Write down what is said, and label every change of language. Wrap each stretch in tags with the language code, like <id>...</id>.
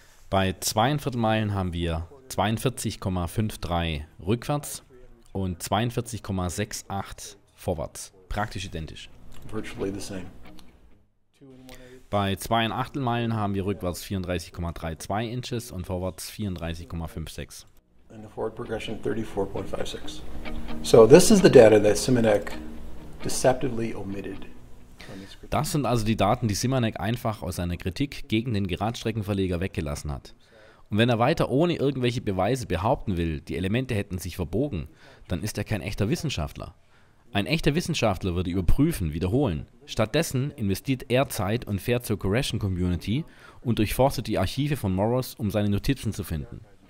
<de>Bei 2¼ Meilen haben wir 42,53 rückwärts und 42,68 vorwärts. Praktisch identisch. Virtually the same. Bei 2¼ Meilen haben wir rückwärts 34,32 Inches und vorwärts 34,56.</de> <en>And the forward progression 34.56. So this is the data that Szymanek deceptively omitted.</en> <de>Das sind also die Daten, die Szymanek einfach aus seiner Kritik gegen den Geradstreckenverleger weggelassen hat. Und wenn er weiter ohne irgendwelche Beweise behaupten will, die Elemente hätten sich verbogen, dann ist er kein echter Wissenschaftler. Ein echter Wissenschaftler würde überprüfen, wiederholen. Stattdessen investiert er Zeit und fährt zur Correction Community und durchforstet die Archive von Morrows, um seine Notizen zu finden.</de>